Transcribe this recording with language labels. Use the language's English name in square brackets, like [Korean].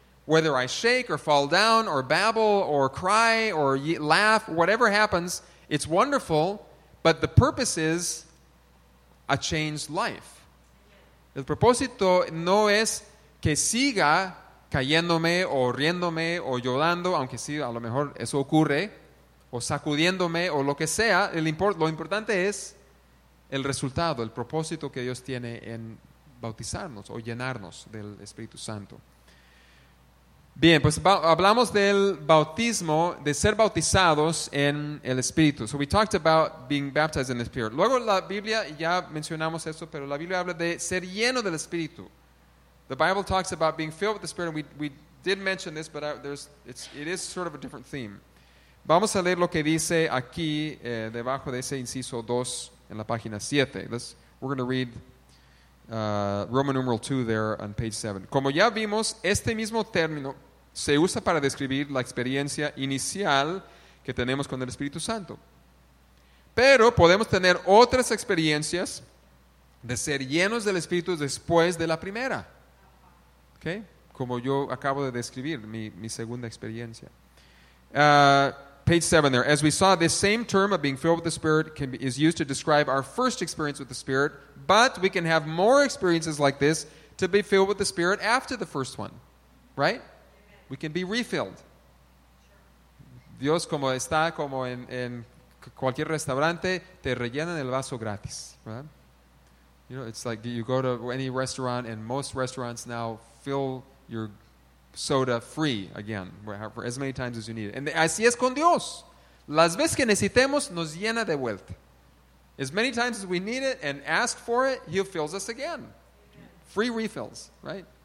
[English] Whether I shake or fall down or babble or cry or laugh, whatever happens, it's wonderful, but the purpose is a changed life. [Spanish] El propósito no es que siga cayéndome o riéndome o llorando, aunque sí, a lo mejor eso ocurre, o sacudiéndome o lo que sea. Lo importante es el resultado, el propósito que Dios tiene en bautizarnos o llenarnos del Espíritu Santo. Bien, pues hablamos del bautismo, de ser bautizados en el Espíritu. [English] So we talked about being baptized in the Spirit. [Spanish] Luego la Biblia, ya mencionamos eso, pero la Biblia habla de ser lleno del Espíritu. [English] The Bible talks about being filled with the Spirit. We did mention this, but it is sort of a different theme. [Spanish] Vamos a leer lo que dice aquí, debajo de ese inciso 2, en la página 7. [English] We're going to read Roman numeral 2 there on page 7. [Spanish] Como ya vimos, este mismo término se usa para describir la experiencia inicial que tenemos con el Espíritu Santo. Pero podemos tener otras experiencias de ser llenos del Espíritu después de la primera. Okay? Como yo acabo de describir mi segunda experiencia. [English] Page 7 there. As we saw, this same term of being filled with the Spirit is used to describe our first experience with the Spirit, but we can have more experiences like this to be filled with the Spirit after the first one. Right? Amen. We can be refilled. Sure. [Spanish] Dios como está, como en cualquier restaurante, te rellenan el vaso gratis. [English] Right? You know, it's like you go to any restaurant, and most restaurants now fill your soda free again for as many times as you need it. And [Spanish] así es con Dios. Las veces que necesitemos, nos llena de vuelta. [English] As many times as we need it and ask for it, He fills us again. Free refills, right?